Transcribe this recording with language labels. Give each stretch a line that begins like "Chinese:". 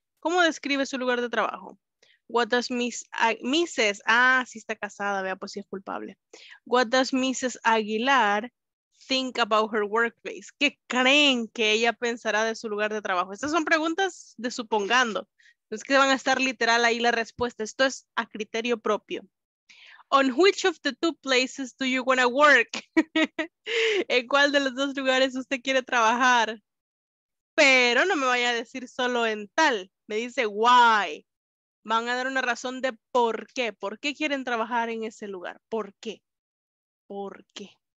Spanish: ¿Cómo describe su lugar de trabajo?
English: What does Mrs.
Spanish: Ah, sí está casada, vea, pues sí es culpable.
English: What does Mrs. Aguilar think about her workplace?
Spanish: ¿Qué creen que ella pensará de su lugar de trabajo? Estas son preguntas de supongando. No es que van a estar literal ahí la respuesta. Esto es a criterio propio.
English: On which of the two places do you want to work?
Spanish: ¿En cuál de los dos lugares usted quiere trabajar? Pero no me vaya a decir solo en tal. Me dice why. Van a dar una razón de por qué. ¿Por qué quieren trabajar en ese lugar? ¿Por qué? ¿Por qué?